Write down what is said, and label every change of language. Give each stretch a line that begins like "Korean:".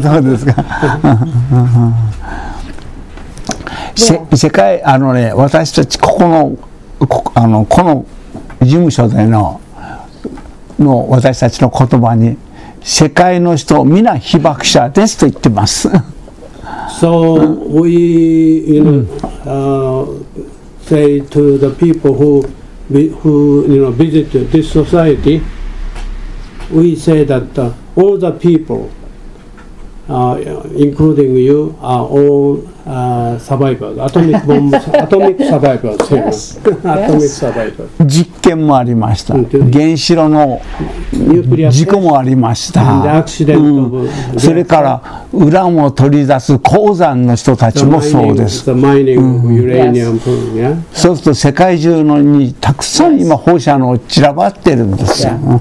Japanese: そうですか。世界、あのね、私たちここの、この事務所でのの私たちの言葉に、世界の人皆被爆者ですと言ってます。
English: So we you know, say to the people who you know visit this society, we say that all the people, including you, are all survivors, atomic bomb, atomic survivors. Yes. atomic survivors.
Japanese: 実験もありました。原子炉の事故もありました。それからウランを取り出す鉱山の人たちもそうです。そうすると世界中のにたくさん今放射能散らばってるんですよ。